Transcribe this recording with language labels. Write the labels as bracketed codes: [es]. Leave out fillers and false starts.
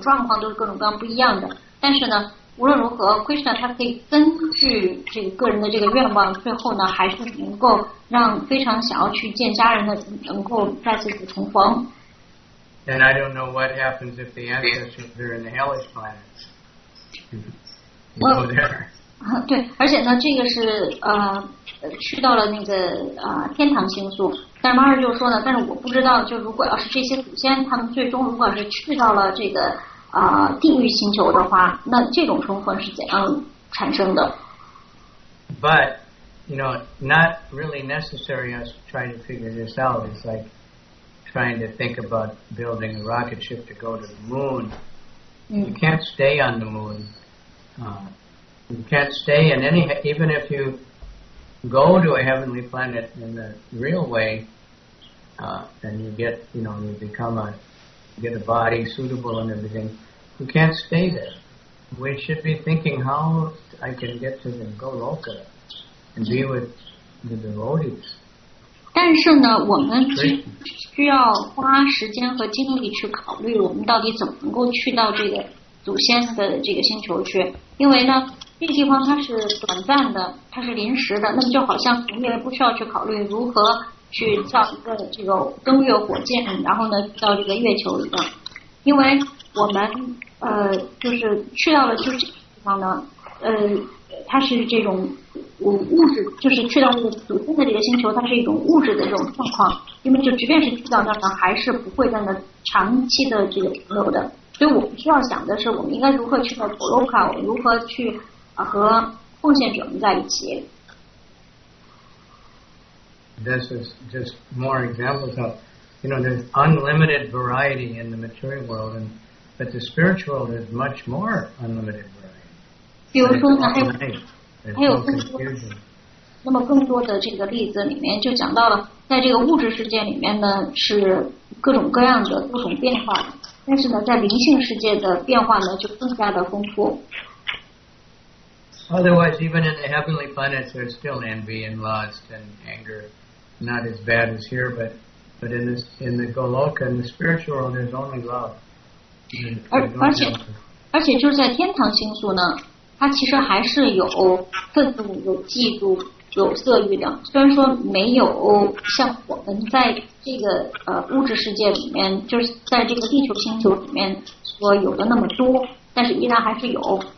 [zh] 但是呢，我不知道就这个事情到底是怎么细致的去运作起来的。比如说，因为这里面有婴儿啊，还有家人啊，还有就是有病人呐、啊，就是大家的出的这种状况都是各种各样不一样的。但是呢，无论如何 ，Krishna 他可以根据这个个人的这个愿望，最后呢，还是能够让非常想要去见家人的能够再次重逢。 [en] And I don't know what happens if the ancestors are in the hellish planets. Go there. But, you know, not really necessary us trying to figure this out. It's like trying to think about building a rocket ship to go to the moon. You can't stay on the moon. You can't stay in any, even if you go to a heavenly planet in the real way, and you get, you know, you become a, get a body suitable and everything, you can't stay there. We should be thinking how I can get to the Goloka and be with the devotees. [zh] 但是呢，我们需要花时间和精力去考虑，我们到底怎么能够去到这个祖先的这个星球去？因为呢，这个地方它是短暂的，它是临时的。那么就好像我们也不需要去考虑如何去造一个这个登月火箭，然后呢到这个月球一样，因为我们就是去到了就是这个地方呢，它是这种物质，就是去到这个祖先的这个星球，它是一种物质的这种状况。因为就即便是去到那儿，还是不会在那长期的这个停留的。所以我们需要想的是，我们应该如何去到陀罗卡，我们如何去和奉献者们在一起。 [en] This is just more examples of, you know, there's unlimited variety in the material world, and but the spiritual is much more unlimited variety. [zh] 比如说呢，还有那么更多的这个例子里面就讲到了，在这个物质世界里面呢是各种各样的不同变化，但是呢在灵性世界的变化呢就更加的丰富。 [en] Otherwise, even in the heavenly planets, there's still envy and lust and anger. Not as bad as here, but in this, in the Goloka, in the spiritual world, there's only love. [zh] 而且就在天堂星宿呢，它其实还是有愤怒、有嫉妒、有色欲的。虽然说没有像我们在这个物质世界里面，就是在这个地球星球里面所有的那么多，但是依然还是有。